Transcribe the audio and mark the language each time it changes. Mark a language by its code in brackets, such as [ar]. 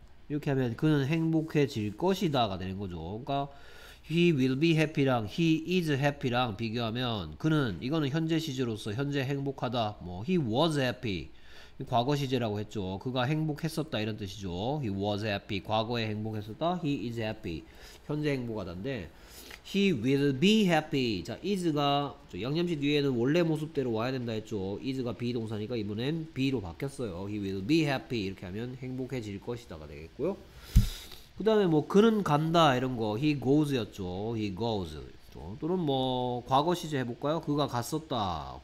[ko] 이렇게 하면 그는 행복해질 것이다가 되는 거죠. 그러니까 [en] He will be happy [ko] 랑 [en] he is happy [ko] 랑 비교하면 그는 이거는 현재 시제로서 현재 행복하다. 뭐 [en] he was happy. [ko] 과거 시제라고 했죠. 그가 행복했었다 이런 뜻이죠. [en] He was happy. [ko] 과거에 행복했었다. [en] He is happy. [ko] 현재 행복하다인데 [en] he will be happy. [ko] 자, is가 양념식 뒤에는 원래 모습대로 와야 된다 했죠. is가 be 동사니까 이번엔 be로 바뀌었어요. [en] He will be happy. [ko] 이렇게 하면 행복해질 것이다가 되겠고요. 그 다음에 뭐 그는 간다 이런 거 [en] he goes [ko] 였죠. [en] he goes. [ko] 또는 뭐 과거 시제 해볼까요? 그가 갔었다.